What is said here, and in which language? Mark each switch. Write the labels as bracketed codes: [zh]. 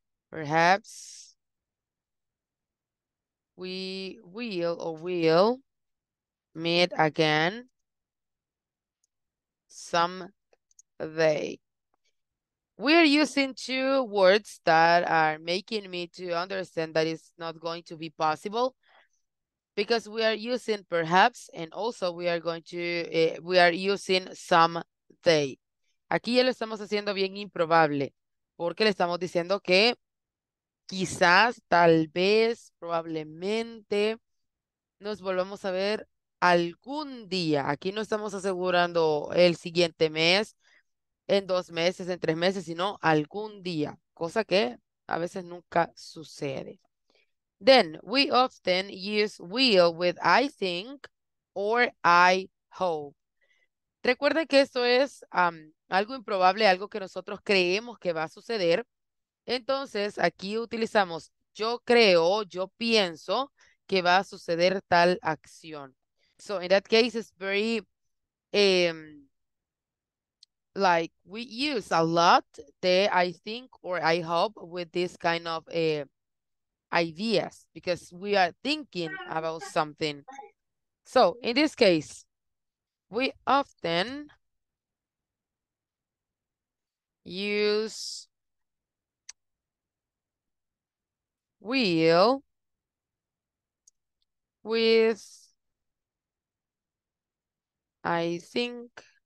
[en] Perhaps we will or will meet again someday. We are using two words that are making me to understand that it's not going to be possible because we are using perhaps and also we are going to we are using someday. [es] Aquí ya lo estamos haciendo bien improbable porque le estamos diciendo que quizás, tal vez, probablemente nos volvamos a ver algún día. Aquí no estamos asegurando el siguiente mes. En 2 meses, en 3 meses, sino algún día, cosa que a veces nunca sucede. [en] Then, we often use will with I think or I hope. [es] Recuerden que esto es algo improbable, algo que nosotros creemos que va a suceder. Entonces, aquí utilizamos yo creo, yo pienso que va a suceder tal acción. [en] So, in that case, it's very. Like we use a lot the I think or I hope with this kind of ideas because we are thinking about something. So in this case, we often use will with I think.